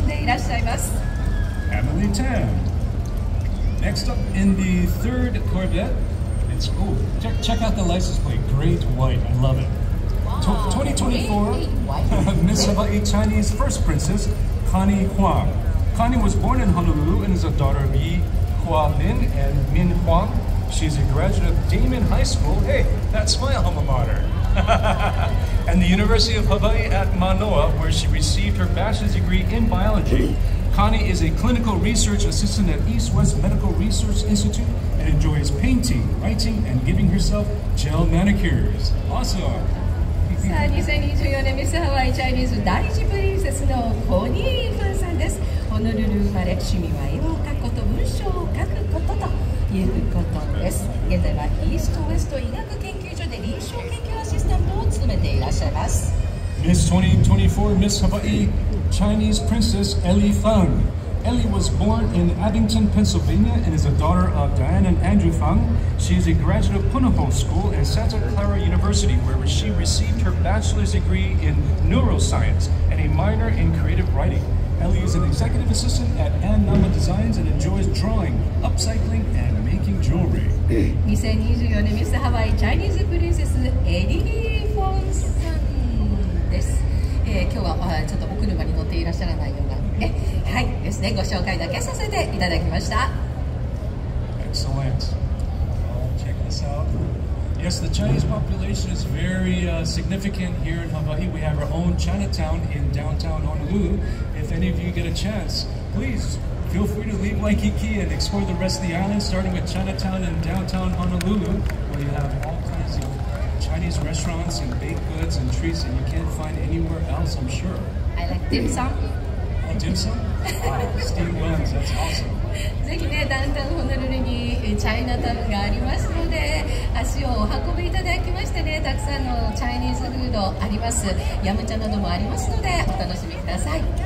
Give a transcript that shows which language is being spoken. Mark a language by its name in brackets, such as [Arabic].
[Japanese] ありがとうございます。趣味は洋服、ファッション、そして地元のホームレス支援活動にも取り組んでいらっしゃいます。Emily [English] Tam. Next up in the third Corvette, it's cool. Check out the license plate. Great white. I love it. Wow. 2024 Miss Hawaii Chinese First Princess, Connie Huang. Connie was born in Honolulu and is a daughter of Yi Hua Min and Min Huang. She's a graduate of Damon High School. Hey, that's my alma mater. And the University of Hawaii at Manoa, where she received her bachelor's degree in biology. Connie is a clinical research assistant at East West Medical Research Institute and enjoys painting, writing, and giving herself gel manicures. Awesome! [Japanese] 2024年ミスハワイチャイニーズ第一プリンセスのコニー・フンさんです。ホノルル生まれ、趣味は絵を描くこと、文章を書くことということです。現在はイーストウェスト医学研究所で臨床研究アシスタントを務めていらっしゃいます。 [English] Miss 2024 Miss Hawaii Chinese Princess Ellie Fung. Ellie was born in Abington, Pennsylvania and is a daughter of Diane and Andrew Fung. She is a graduate of Punahou School and Santa Clara University, where she received her bachelor's degree in neuroscience and a minor in creative writing. Ellie is an executive assistant at Ann Nama Designs and enjoys drawing, upcycling, and making jewelry. 2024 Miss Hawaii Chinese Princess Ellie Fung. [Japanese] 今日はちょっとお車に乗っていらっしゃらないようなはいですねご紹介だけさせていただきました。 [English] Excellent. Check this out. Yes, the Chinese population is very、significant here in Hawaii. We have our own Chinatown in downtown Honolulu. If any of you get a chance, please feel free to leave Waikiki and explore the rest of the island, starting with Chinatown in downtown Honolulu, where you have all kinds ofChinese restaurants and baked goods and treats that you can't find anywhere else, I'm sure. I like dim sum. Oh, dim sum? Wow, steamed buns, that's awesome. [Japanese] ぜひね、ダウンタウンホノルルにチャイナタウンがありますので、足をお運びいただきましてね、たくさんのチャイニーズフードあります。ヤムチャなどもありますので、お楽しみください。